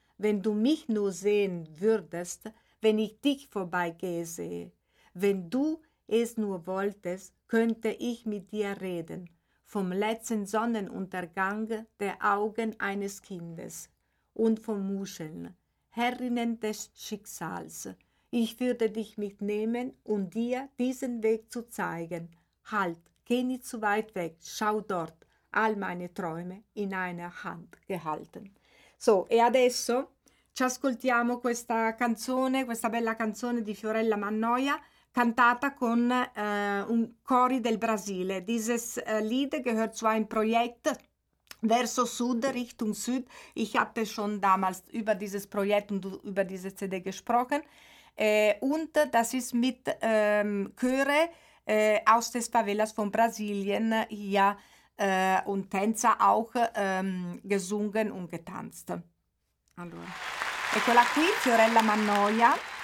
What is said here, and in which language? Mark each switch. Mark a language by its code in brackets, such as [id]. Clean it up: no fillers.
[de] Wenn du mich nur sehen würdest, wenn ich dich vorbeigehe sehe, wenn du es nur wolltest, könnte ich mit dir reden vom letzten Sonnenuntergang der Augen eines Kindes und von Muscheln, Herrinnen des Schicksals. Ich würde dich mitnehmen, um dir diesen Weg zu zeigen. Halt, geh nicht zu weit weg, schau dort, all meine Träume in einer Hand gehalten. [it] So, e adesso ci ascoltiamo questa canzone, questa bella canzone di Fiorella Mannoia, cantata con un cori del Brasile. [de] Dieses Lied gehört zu einem Projekt Verso Sud, Richtung Süd. Ich hatte schon damals über dieses Projekt und über diese CD gesprochen. Und das ist mit Chöre aus des Favelas von Brasilien hier und Tänzer auch gesungen und getanzt. [it] Allora. Eccola qui, Fiorella Mannoia.